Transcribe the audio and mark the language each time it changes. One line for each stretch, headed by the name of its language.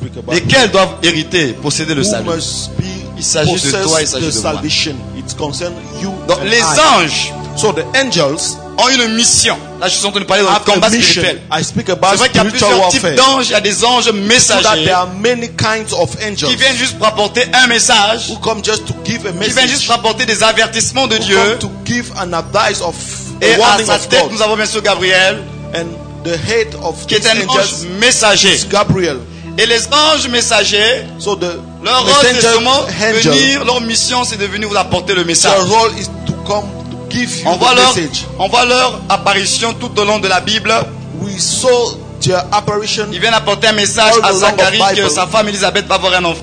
French: Lesquels doivent hériter, posséder le salut? Il s'agit de toi, il s'agit de moi.
English: It concerns you.
French: Donc les anges,
English: so the angels,
French: ont une mission. Là, je suis en train de parler dans le combat spirituel.
English: I speak about spiritual warfare.
French: C'est vrai qu'il y a plusieurs types d'anges. Il y a des anges messagers.
English: So that there are many kinds of angels.
French: Qui viennent juste rapporter un message.
English: Who come just to give a message.
French: Qui viennent juste rapporter des avertissements de Dieu.
English: To give an advice of a warning of God.
French: Et à sa tête, nous avons bien sûr Gabriel.
English: And the head of
French: qui est un ange messager.
English: Gabriel.
French: Et les anges messagers,
English: so the
French: leur rôle c'est seulement venir. Leur mission c'est de venir vous apporter le message.
English: Their role is to come to give you the message.
French: On voit leur apparition tout au long de la Bible.
English: We saw their apparition.
French: Ils viennent apporter un message à Zacharie que sa femme Élisabeth va avoir un enfant.